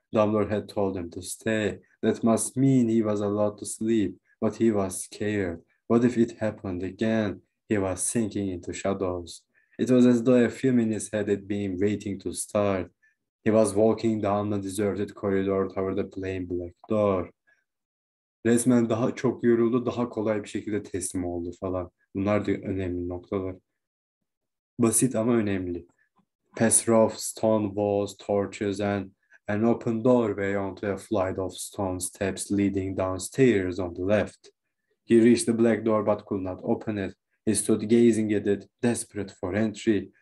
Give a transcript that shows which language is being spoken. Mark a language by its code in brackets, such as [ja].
[en] Dumbledore had told him to stay. That must mean he was allowed to sleep, but he was scared. What if it happened again? He was sinking into shadows. It was as though a few minutes had been waiting to start. He was walking down the deserted corridor toward the plain black door. [tr] Resmen daha çok yoruldu, daha kolay bir şekilde teslim oldu falan. Bunlar da önemli noktalar. Basit ama önemli. [en] Pass rough stone walls, torches and an open doorway onto a flight of stone steps leading downstairs on the left. He reached the black door but could not open it. He stood gazing at it, desperate for entry.